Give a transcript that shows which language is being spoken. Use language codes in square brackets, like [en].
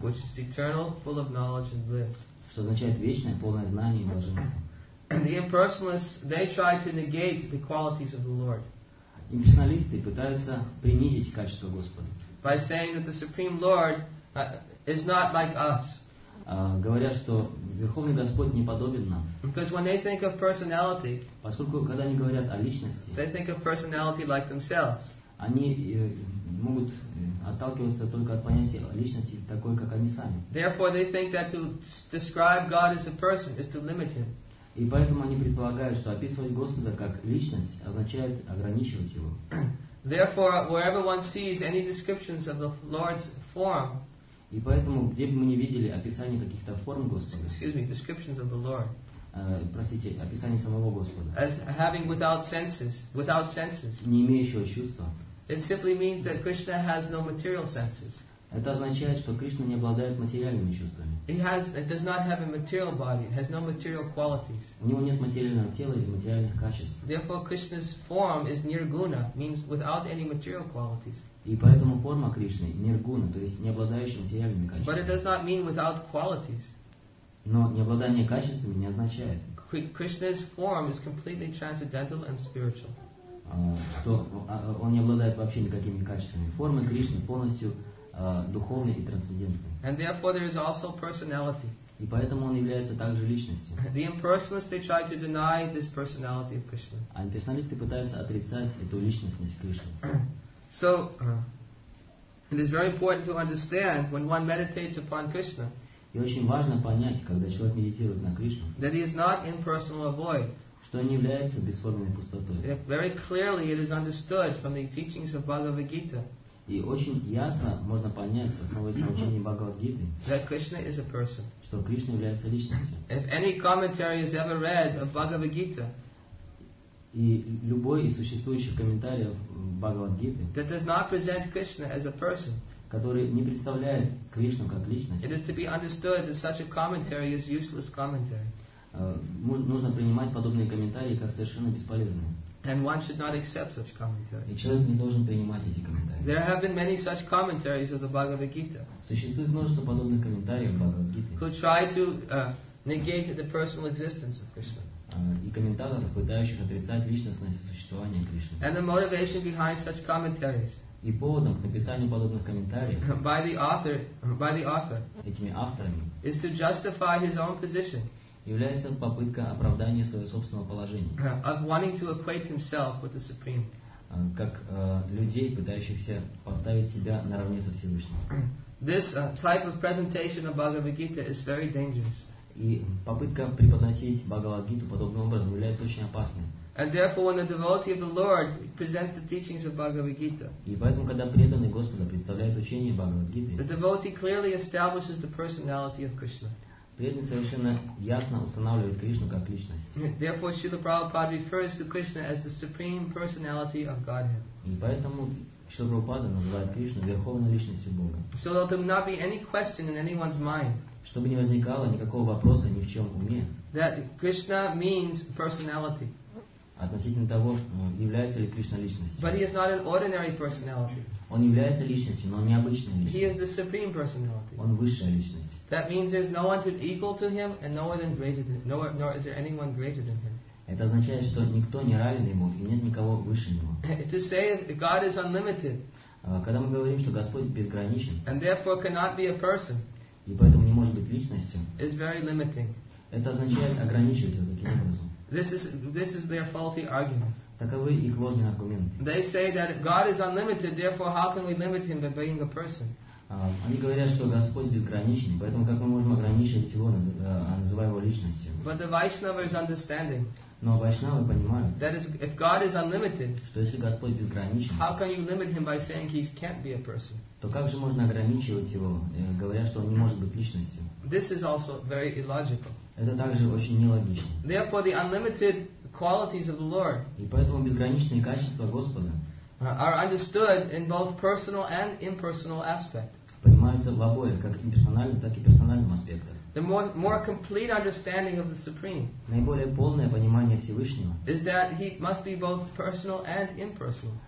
[en] Which is eternal, full of knowledge and bliss. [ru] Что означает вечное, полное знание и блаженство. [en] The impersonalists, they try to negate the qualities of the Lord. [ru] Имперсоналисты пытаются принизить качество Господа. [en] By saying that the Supreme Lord is not like us. [ru] Говорят, что Верховный Господь не подобен нам. [en] Because when they think of personality, [ru] поскольку когда они говорят о личности, [en] they think of personality like themselves. [ru] Они могут отталкиваться только от понятия личности такой, как они сами. [en] Therefore, they think that to describe God as a person is to limit him. [ru] И поэтому они предполагают, что описывать Господа как личность означает ограничивать его. [en] Therefore, wherever one sees any descriptions of the Lord's form, [ru] и поэтому где бы мы не видели описание каких-то форм Господа, [en] excuse me, descriptions of the Lord, [ru] простите, описание самого Господа, [en] as having without senses, [ru] не имеющего чувства, [en] it simply means that Krishna has no material senses. [ru] Это означает, что Кришна не обладает материальными чувствами. [en] It does not have a material body. It has no material qualities. [ru] У него нет материального тела или материальных качеств. [en] Therefore, Krishna's form is nirguna, means without any material qualities. [ru] И поэтому форма Кришны нирguna, то есть не обладающая материальными качествами. [en] But it does not mean without qualities. [ru] Но не обладание качествами не означает. [en] Krishna's form is completely transcendental and spiritual. [ru] Что он не обладает вообще никакими качествами. Формы Кришны полностью духовный и трансцендентный. [en] And therefore there is also personality. [ru] И поэтому он является также личностью. [en] The impersonalists, they try to deny this personality of Krishna. [ru] А имперсоналисты пытаются отрицать эту личностность Кришны. [en] So it is very important to understand when one meditates upon Krishna. [ru] И очень важно понять, когда человек медитирует на Кришну. [en] That he is not impersonal or void. [ru] Что он не является бесформенной пустотой. [en] Very clearly it is understood from the teachings of Bhagavad Gita. [ru] И очень ясно можно понять с основой учения Бхагавад-гиты, [en] that Krishna is a person. [ru] Что Кришна является личностью. [en] If any commentary is ever read of Bhagavad-gita, [ru] и любой из существующих комментариев Бхагавад-гиты, [en] that does not present Krishna as a person, [ru] который не представляет Кришну как личность, [en] it is to be understood that such a commentary is useless commentary. [ru] Нужно принимать подобные комментарии как совершенно бесполезные. [en] And one should not accept such commentaries. [ru] И человек не должен принимать эти комментарии. [en] There have been many such commentaries of the Bhagavad Gita. [ru] Существует множество подобных комментариев в Бхагавад Гите. [en] Who try to negate the personal existence of Krishna. [ru] И комментаторов, пытающих отрицать личностное существование Кришны. [en] And the motivation behind such commentaries. [ru] И поводом к написанию подобных комментариев. [en] By the author. [ru] Этими авторами. [en] Is to justify his own position. [ru] Является попытка оправдания своего собственного положения. [en] Of wanting to equate himself with the Supreme. [ru] Как людей, пытающихся поставить себя наравне со Всевышним. [en] This type of presentation of Bhagavad Gita is very dangerous. [ru] И попытка преподносить Бхагавад Гиту подобным образом является очень опасной. [en] And therefore, when a devotee of the Lord presents the teachings of Bhagavad Gita, [ru] и поэтому, когда преданный Господа представляет учение Бхагавад Гиты, [en] the devotee clearly establishes the personality of Krishna. [ru] Преданный совершенно ясно устанавливает Кришну как личность. [en] Therefore, Srila Prabhupada refers to Krishna as the supreme personality of Godhead. [ru] И поэтому Шрила Прабхупада называет Кришну верховной личностью Бога. [en] So that there will not be any question in anyone's mind. [ru] Чтобы не возникало никакого вопроса ни в чем уме. [en] That Krishna means personality. [ru] Относительно того, является ли Кришна личностью. [en] But he is not an ordinary personality. [ru] Он является личностью, но необычной личностью. [en] He is the supreme personality. [ru] Он высшая личность. [en] That means there's no one equal to him and no one greater than him. Nor is there anyone greater than him. [ru] Это означает, что никто не равен ему и нет никого выше него. [en] To say that God is unlimited. [ru] Когда мы говорим, что Господь безграничен. [en] And therefore cannot be a person. [ru] И поэтому не может быть личностью. [en] Is very limiting. [ru] Это означает ограничивать его таким образом. [en] This is their faulty argument. [ru] Таковы их ложные аргументы. [en] They say that if God is unlimited, therefore how can we limit him by being a person? [ru] Они говорят, что Господь безграничен, поэтому как мы можем ограничивать его, называя его личностью? [en] But the Vaishnava is understanding. [ru] Но вайшнавы понимают. [en] That is, if God is unlimited. [ru] Что если Господь безграничен? [en] How can you limit him by saying he can't be a person? [ru] То как же можно ограничивать его, говоря, что он не может быть личностью? [en] This is also very illogical. [ru] Это также очень нелогично. [en] Therefore, the unlimited qualities of the Lord. [ru] И поэтому безграничные качества Господа. [en] Are understood in both personal and impersonal aspect. [ru] Понимаются в обоих, как имперсональном, так и персональном аспектах. [en] The more complete understanding of the Supreme. [ru] Наиболее полное понимание Всевышнего. [en] Is that he must be both personal and impersonal.